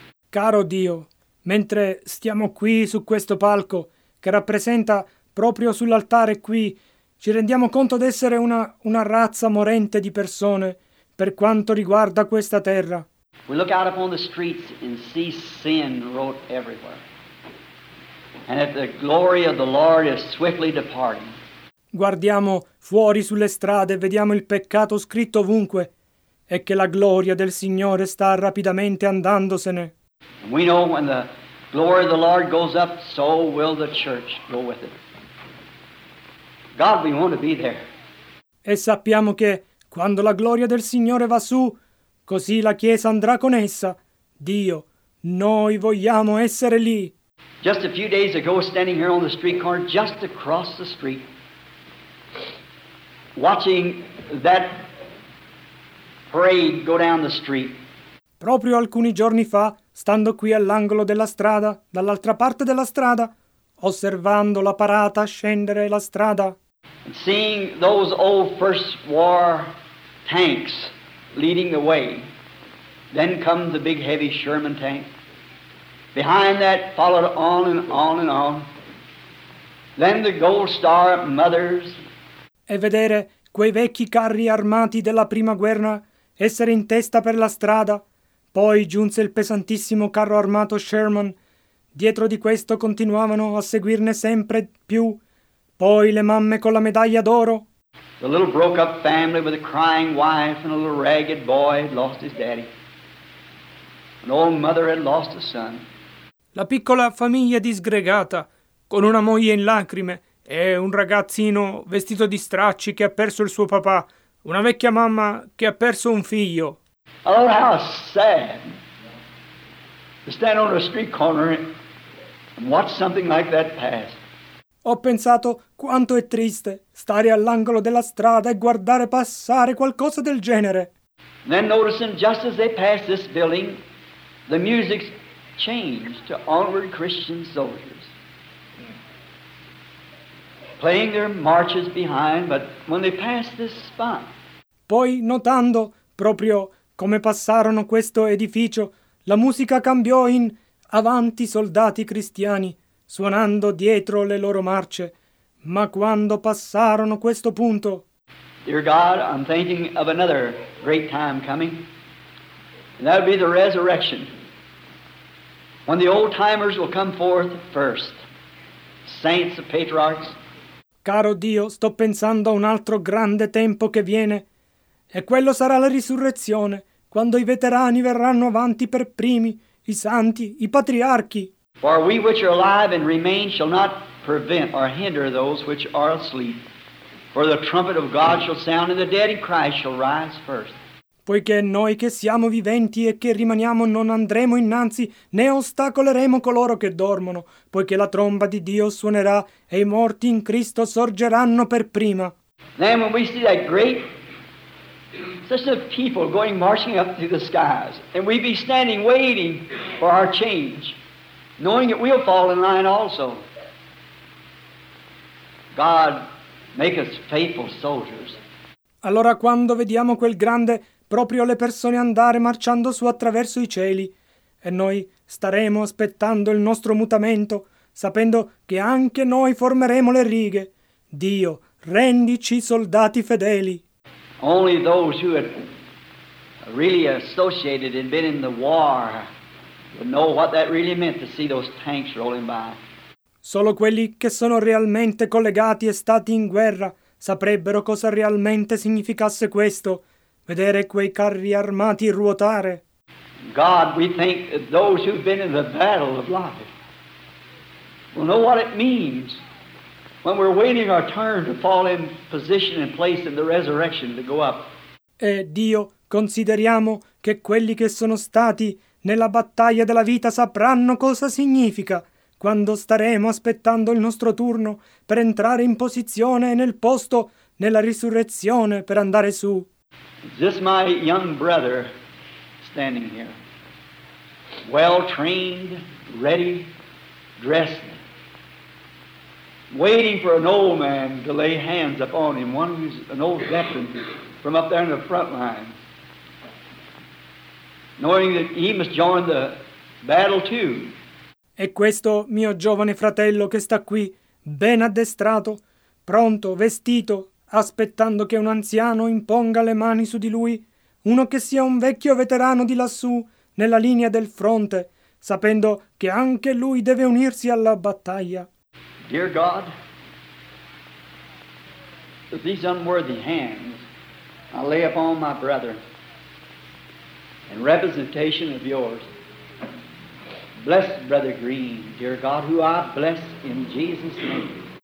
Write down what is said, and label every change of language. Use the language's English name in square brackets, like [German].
[Italian] Caro Dio, mentre stiamo qui su questo palco, che rappresenta proprio sull'altare qui, Ci rendiamo conto d'essere una razza morente di persone per quanto riguarda questa terra. [English] We look out upon the streets and see sin wrote everywhere. And if the glory of the Lord is swiftly departing. [Italian] Guardiamo fuori sulle strade e vediamo il peccato scritto ovunque e che la gloria del Signore sta rapidamente andandosene. [English] And we know when the glory of the Lord goes up, so will the church go with it. God, we want to be there. [Italian] E sappiamo che quando la gloria del Signore va su, così la Chiesa andrà con essa. Dio, noi vogliamo essere lì. [English] Just a few days ago, standing here on the street corner, just across the street, watching that parade go down the street. [Italian] Proprio alcuni giorni fa, stando qui all'angolo della strada, dall'altra parte della strada, osservando la parata scendere la strada. [English] And seeing those old First War tanks leading the way, then come the big heavy Sherman tank. Behind that followed on and on and on. Then the Gold Star Mothers. [Italian] E vedere quei vecchi carri armati della prima guerra essere in testa per la strada. Poi giunse il pesantissimo carro armato Sherman. Dietro di questo continuavano a seguirne sempre più. Poi le mamme con la medaglia d'oro. [English] The little broke up family with a crying wife and a little ragged boy had lost his daddy. An old mother had lost a son. [Italian] La piccola famiglia disgregata, con una moglie in lacrime e un ragazzino vestito di stracci che ha perso il suo papà, una vecchia mamma che ha perso un figlio. [English] Oh, how sad to stand on a street corner and watch something like that pass. [Italian] Ho pensato quanto è triste stare all'angolo della strada e guardare passare qualcosa del genere. [English] Then noticing just as they pass this building, the music changed to Onward Christian Soldiers. Playing their marches behind, but when they passed this spot. [Italian] Poi notando proprio come passarono questo edificio, la musica cambiò in Avanti Soldati Cristiani. Suonando dietro le loro marce, ma quando passarono questo punto. [English] Dear God, I'm thinking of another great time coming. And that would be the resurrection. When the old timers will come forth first. Saints and patriarchs. [Italian] Caro Dio, sto pensando a un altro grande tempo che viene. E quello sarà la risurrezione, quando i veterani verranno avanti per primi, i santi, i patriarchi. [English] For we which are alive and remain shall not prevent or hinder those which are asleep. For the trumpet of God shall sound, and the dead in Christ shall rise first. [Italian] Poiché noi che siamo viventi e che rimaniamo non andremo innanzi, né ostacoleremo coloro che dormono, poiché la tromba di Dio suonerà, e i morti in Cristo sorgeranno per prima. [English] Then when we see that great such a people going marching up through the skies, and we be standing waiting for our change, knowing that we'll fall in line also. God, make us faithful soldiers. [Italian] Allora quando vediamo quel grande, proprio le persone andare marciando su attraverso i cieli, e noi staremo aspettando il nostro mutamento, sapendo che anche noi formeremo le righe. Dio, rendici soldati fedeli. [English] Only those who had really associated and been in the war would know what that really meant to see those tanks rolling by. [Italian] Solo quelli che sono realmente collegati e stati in guerra saprebbero cosa realmente significasse questo, vedere quei carri armati ruotare. [English] God, we think that those who've been in the battle of life will know what it means when we're waiting our turn to fall in position and place in the resurrection to go up. [Italian] E Dio, consideriamo che quelli che sono stati nella battaglia della vita sapranno cosa significa quando staremo aspettando il nostro turno per entrare in posizione e nel posto nella risurrezione per andare su. [English] Is this my young brother standing here? Well trained, ready, dressed, waiting for an old man to lay hands upon him, one who's an old veteran from up there in the front line. Knowing that he must join the battle too. [Italian] E questo mio giovane fratello che sta qui, ben addestrato, pronto, vestito, aspettando che un anziano imponga le mani su di lui, uno che sia un vecchio veterano di lassù, nella linea del fronte, sapendo che anche lui deve unirsi alla battaglia. [English] Dear God, with these unworthy hands, I lay upon my brethren in representation of yours. Bless Brother Green, dear God, who I bless in Jesus' name.